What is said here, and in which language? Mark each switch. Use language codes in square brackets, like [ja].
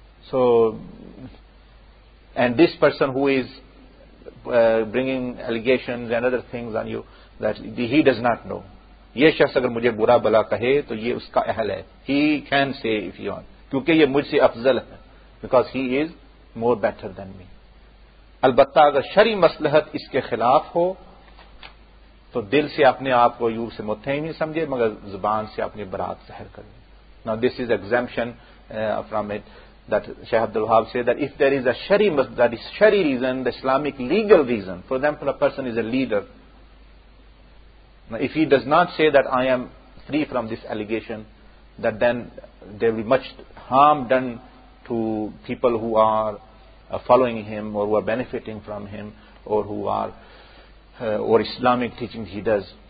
[en] So, and this person who is bringing allegations and other things on you, that he does not know. [ur] یہ شخص اگر مجھے برا بلا کہے تو یہ اس کا اہل ہے. [en] He can say if you want. [ur] کیونکہ یہ مجھ سے افضل ہے. [en] Because he is more better than me. [ur] البتہ اگر شرعی مصلحت اس کے خلاف ہو تو دل سے اپنے آپ کو یوب سے متہم نہیں سمجھے، مگر زبان سے اپنی برات ظاہر کرے. [en] Now this is exemption from it. That Shaykh Abdul Wahab said that if there is a shari, that is shari reason, the Islamic legal reason, for example, a person is a leader. Now, if he does not say that I am free from this allegation, that then there will be much harm done to people who are following him or who are benefiting from him or who are or Islamic teachings he does.